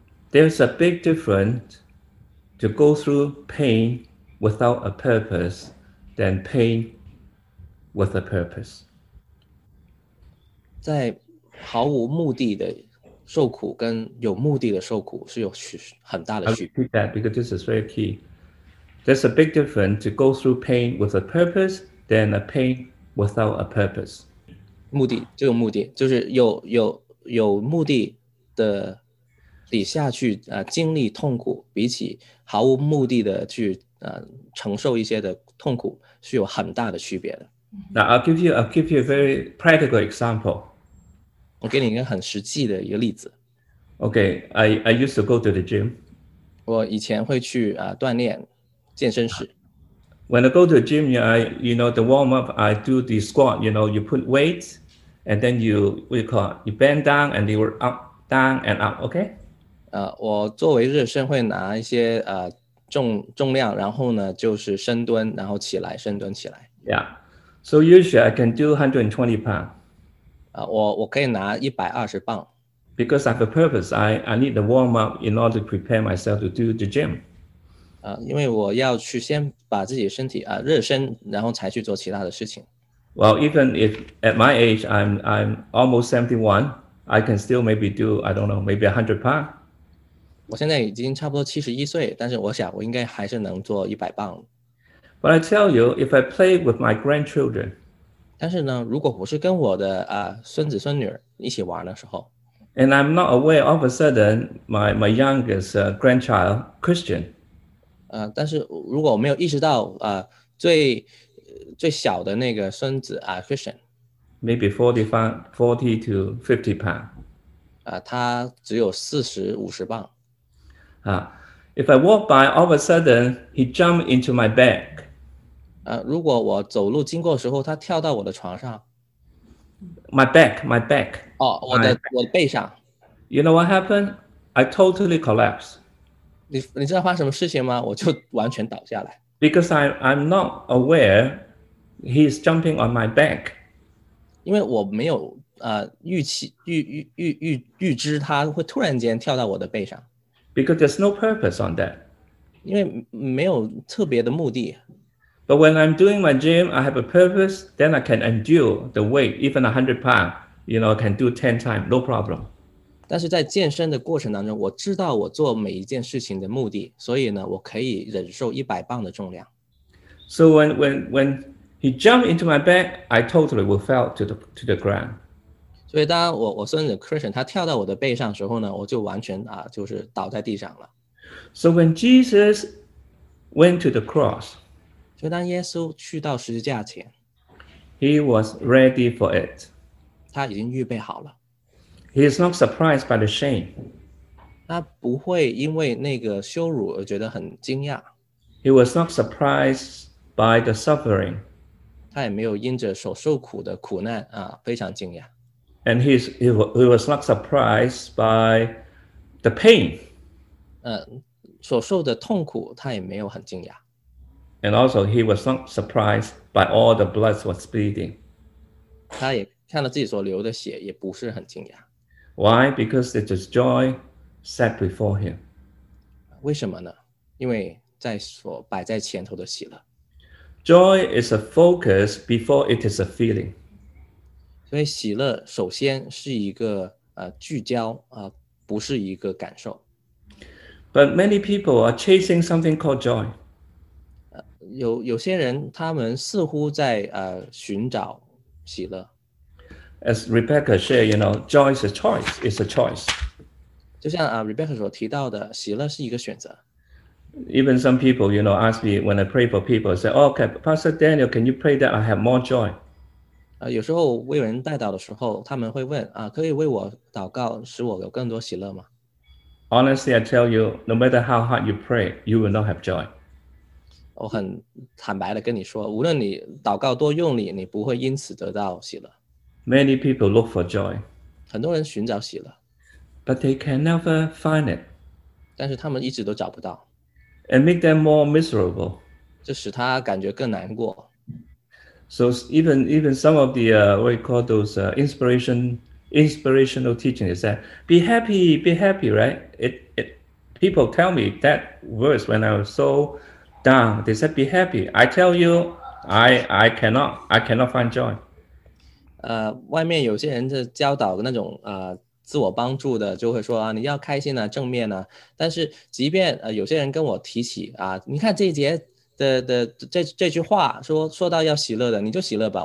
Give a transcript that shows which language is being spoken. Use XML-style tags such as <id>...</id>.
<en>There's a big difference to go through pain without a purpose than pain with a purpose.</en> <zh>在毫无目的的受苦跟有目的的受苦是有很大的区别。</zh> <en>I'll repeat that because this is very key. There's a big difference to go through pain with a purpose than a pain without a purpose.</en> <zh>目的，这个目的，就是有目的的底下去经历痛苦，比起毫无目的的去承受一些的痛苦，是有很大的区别的。</zh> <en>Now I'll give you a very practical example.</en> <zh>我给你一个很实际的一个例子。</zh> <en>Okay, I used to go to the gym.</en> <zh>我以前会去锻炼。健身室。</zh> <en>When I go to the gym, the warm up, I do the squat. You know, you put weights, and then you bend down, and you were up, down, and up. Okay.</en> <zh>我作为热身会拿一些重量，然后呢就是深蹲，然后起来深蹲起来。</zh> <en>Yeah. So usually I can do 120 pounds.</en> <zh>我可以拿120磅。</zh> <en>Because I have a purpose, I need the warm up in order to prepare myself to do the gym.</en> <zh>因为我要去先把自己身体热身，然后才去做其他的事情。</zh> <en>Well, even if at my age, I'm almost 71, I can still maybe do, I don't know, maybe 100 pounds.</en> <zh>我现在已经差不多71岁，但是我想我应该还是能做100磅。</zh> <en>But I tell you, if I play with my grandchildren,</en> <zh>但是呢，如果我是跟我的孙子孙女一起玩的时候</zh> <en>，and I'm not aware of a sudden my youngest grandchild Christian.</en> <zh>但是如果我没有意识到最小的那个孙子Christian</zh> <en>maybe 40 to 50 pounds</en> <zh>他只有40-50磅</zh> <en>If I walk by all of a sudden he jump into my back</en> <zh>如果我走路经过的时候他跳到我的床上</zh> <en>my back</en> <zh>我的背上</zh> <en>you know what happened I totally collapsed</en> <zh>你知道发生什么事情吗？我就完全倒下来。</zh> <en>Because I'm not aware he's jumping on my back.</en> <zh>因为我没有预知他会突然间跳到我的背上。</zh> <en>Because there's no purpose on that.</en> <zh>因为没有特别的目的。</zh> <en>But when I'm doing my gym, I have a purpose, then I can endure the weight, even 100 pounds, you know, I can do 10 times, no problem.</en> <zh>但是在健身的过程当中，我知道我做每一件事情的目的，所以呢，我可以忍受100磅的重量。</zh> <en>So when he jumped into my back, I totally fell to the ground.</en> <zh>所以当我孙子 Christian 他跳到我的背上的时候呢，我就完全啊就是倒在地上了。</zh> <en>So when Jesus went to the cross,</en> <zh>就当耶稣去到十字架前，</zh> <en>he was ready for it.</en> <zh>他已经预备好了。</zh> <en>He is not surprised by the shame.</en> <zh>他不会因为那个羞辱而觉得很惊讶。</zh> <en>He was not surprised by the suffering.</en> <zh>他也没有因着所受苦的苦难啊非常惊讶。</zh> <en>And he was not surprised by the pain.</en> <zh>所受的痛苦他也没有很惊讶。</zh> <en>And also he was not surprised by all the blood was bleeding.</en> <zh>他也看到自己所流的血也不是很惊讶。</zh> <en>Why? Because it is joy set before him.</en> <zh>为什么呢？因为在所摆在前头的喜乐。</zh> <en>Joy is a focus before it is a feeling.</en> <zh>所以喜乐首先是一个聚焦不是一个感受。</zh> <en>But many people are chasing something called joy.</en> <zh>有些人他们似乎在寻找喜乐。</zh> <en>As Rebecca shared, you know, joy is a choice. It's a choice.</en> <zh>就像Rebecca 所提到的，喜乐是一个选择。</zh> <en>Even some people, you know, ask me when I pray for people, say, oh, okay, Pastor Daniel, can you pray that I have more joy?</en> <zh>有时候为人代祷的时候他们会问可以为我祷告使我有更多喜乐吗？</zh> <en>Honestly, I tell you, no matter how hard you pray, you will not have joy.</en> <zh>我很坦白的跟你说，无论你祷告多用力，你不会因此得到喜乐。</zh> <en>Many people look for joy.</en> <zh>很多人寻找喜乐。</zh> <en>But they can never find it.</en> <zh>但是他们一直都找不到。</zh> <en>And make them more miserable.</en> <zh>这使他感觉更难过。</zh> <en>So even some of the, what you call those inspirational teaching is that be happy, right? People tell me that verse when I was so down, they said, be happy. I tell you, I cannot find joy.</en> <zh>外面有些人的教导那种自我帮助的就会说你要开心啊，正面啊。但是即便有些人跟我提起你看这一节这句话说到要喜乐的，你就喜乐吧。</zh>